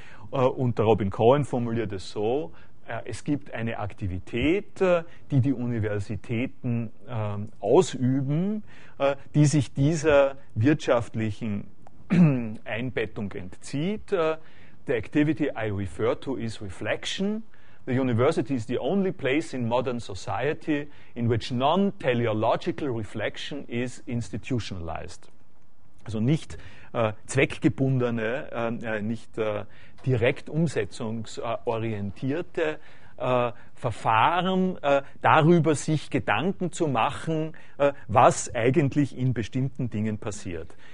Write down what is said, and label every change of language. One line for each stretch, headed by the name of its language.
German: Und der Robin Cohen formuliert es so: Es gibt eine Aktivität, die die Universitäten ausüben, die sich dieser wirtschaftlichen Einbettung entzieht.
English: The activity I refer to is reflection. The university is the only place in modern society in which non-teleological reflection is institutionalized.
German: Also nicht zweckgebundene, nicht direkt umsetzungsorientierte Verfahren, darüber sich Gedanken zu machen, was eigentlich in bestimmten Dingen passiert.